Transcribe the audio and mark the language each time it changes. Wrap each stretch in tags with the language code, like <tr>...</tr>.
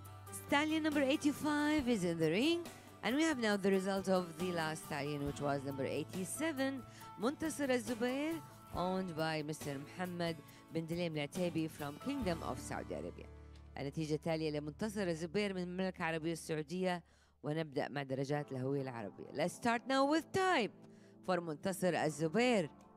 <en>Stallion number 85 is in the ring, and we have now the result of the last stallion, which was number 87, Muntasir al-Zubair, owned by Mr. Mohammed bin Dilim al-Atabi from Kingdom of Saudi Arabia.</en> <ar>النتيجة التالية لمنتصر الزبير من المملكة العربية السعودية ونبدأ مع درجات الهوية العربية.</ar> <en>Let's start now with type for Muntasir al-Zubair.</en>